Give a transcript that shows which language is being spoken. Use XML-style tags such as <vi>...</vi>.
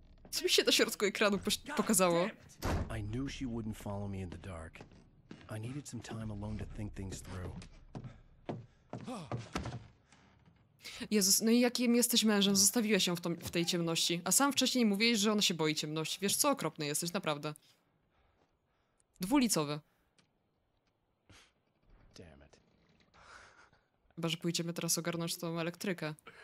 <pl>Co mi się to środku ekranu pokazało?</pl> <en>I knew she wouldn't follow me in the dark. I needed some time alone to think things through.</en> <pl>Jezus, no i jakim jesteś mężem? Zostawiłeś ją w tej ciemności. A sam wcześniej mówiłeś, że ona się boi ciemności. Wiesz, co okropny jesteś, naprawdę. Dwulicowy. Chyba, że pójdziemy teraz ogarnąć tą elektrykę.</pl>